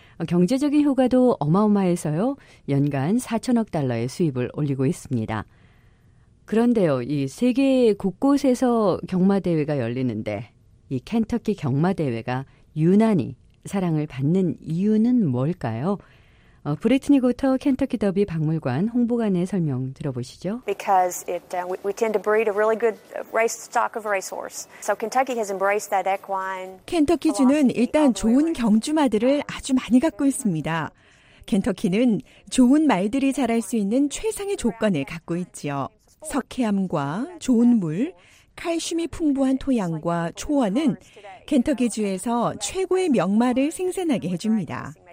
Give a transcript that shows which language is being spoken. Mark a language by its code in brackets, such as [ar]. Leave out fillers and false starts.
[ko] 경제적인 효과도 어마어마해서요. 연간 4천억 달러의 수입을 올리고 있습니다. 그런데요, 이 세계 곳곳에서 경마대회가 열리는데 이 켄터키 경마대회가 유난히 사랑을 받는 이유는 뭘까요? 브리트니 고터 켄터키 더비 박물관 홍보관의 설명 들어보시죠. [en] Because we tend to breed a really good race stock of racehorse. So Kentucky has embraced that equine. [ko] 켄터키주는 일단 좋은 경주마들을 아주 많이 갖고 있습니다. 켄터키는 좋은 말들이 자랄 수 있는 최상의 조건을 갖고 있지요. 석회암과 좋은 물, 칼슘이 풍부한 토양과 초원은 켄터키주에서 최고의 명마를 생산하게 해줍니다.